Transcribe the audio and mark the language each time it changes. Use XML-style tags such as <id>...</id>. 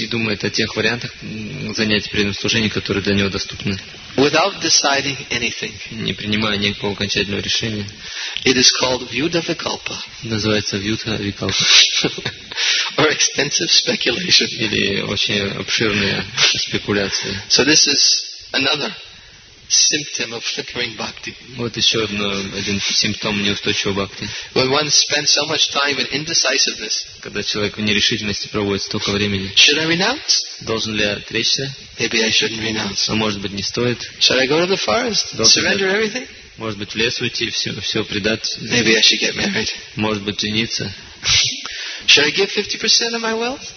<ru>и думает о тех вариантах занятий преданного служения, которые для него доступны,</ru> <en>without deciding anything,</en> <ru>не принимая никакого окончательного решения,</ru> <en>it is called vyudha vikalpa,</en> <ru>называется vyudha vikalpa,</ru> <en>or extensive speculation,</en> <ru>или очень обширные спекуляции.</ru> <en>So this is another symptom of flickering bhakti.</en> <ru>Вот еще один симптом неустойчивого бхакти.</ru> <en>When one spends so much time in indecisiveness,</en> <ru>когда человек в нерешительности проводит столько времени,</ru> <en>should I renounce?</en> <ru>Должен ли я отречься?</ru> <en>Maybe I shouldn't renounce.</en> <ru>А может быть не стоит?</ru> <en>Should I go to the forest? Surrender everything?</en> <ru>Может быть в лес уйти, все предать?</ru> <en>Maybe I should get married.</en> <ru>Может быть жениться?</ru> <en>Should I give 50% of my wealth?</en>